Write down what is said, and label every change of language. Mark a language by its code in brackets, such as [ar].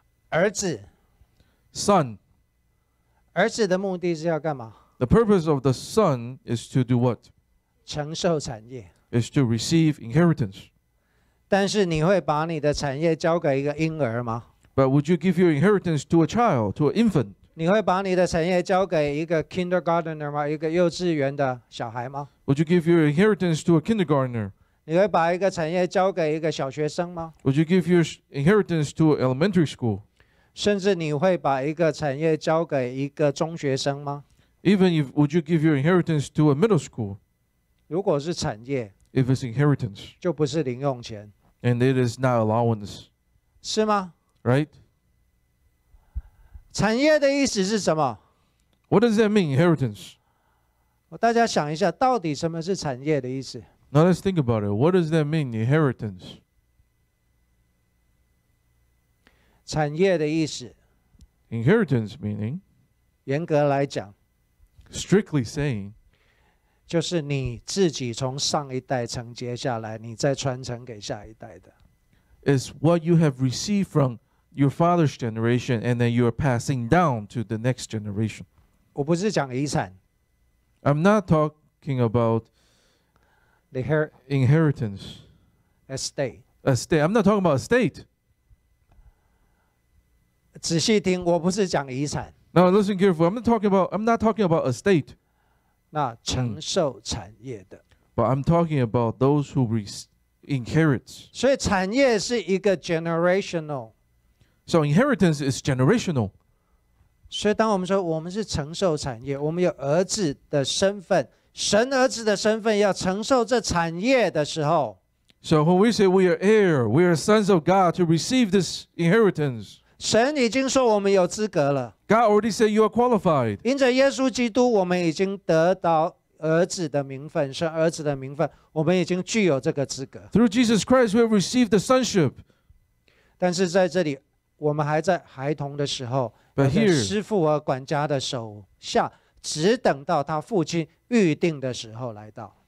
[zh] 儿子 [en] Son. [zh] 儿子的目的是要干嘛？ [en] The purpose of the son is to do what? [zh] 承受产业。 [en] Is to receive inheritance. [zh] 但是你会把你的产业交给一个婴儿吗？ [en] But would you give your inheritance to a child, to an infant? [zh] 你会把你的产业交给一个 kindergartner 吗？一个幼稚园的小孩吗？ [en] Would you give your inheritance to a kindergartner? [zh] 你会把一个产业交给一个小学生吗？ [en] Would you give your inheritance to an elementary school? [zh] 甚至你会把一个产业交给一个中学生吗？ [en] Even if would you give your inheritance to a middle school? [zh] 如果是产业， [en] if it's inheritance, [zh] 就不是零用钱， [en] and it is not allowance, [zh] 是吗？ [en] Right? [zh] 产业的意思是什么？ [en] What does that mean, inheritance? [zh] 大家想一下，到底什么是产业的意思？ [en] Now let's think about it. What does that mean, inheritance? [zh] 产业的意思。 [en] Inheritance meaning? [zh] 严格来讲。 [en] Strictly saying. [zh] 就是你自己从上一代承接下来，你再传承给下一代的。 [en] It's what you have received from your father's generation, and then you are passing down to the next generation. [zh] 我不是讲遗产。 [en] I'm not talking about inheritance. Estate. I'm not talking about estate. [zh] 仔细听，我不是讲遗产。 [en] Now listen carefully. I'm not talking about estate. [zh] 那承受产业的。 [en] But I'm talking about those who inherit. [zh] 所以产业是一个 generational. [en] So inheritance is generational. [zh] 所以当我们说我们是承受产业，我们有儿子的身份，神儿子的身份要承受这产业的时候。 [en] So when we say we are heir, we are sons of God to receive this inheritance. [zh] 神已经说我们有资格了。 [en] God already said you are qualified. [zh] 因着耶稣基督，我们已经得到儿子的名分，是儿子的名分，我们已经具有这个资格。 [en] Through Jesus Christ, we have received the sonship. [zh] 但是在这里，我们还在孩童的时候，在师父和管家的手下，只等到他父亲预定的时候来到。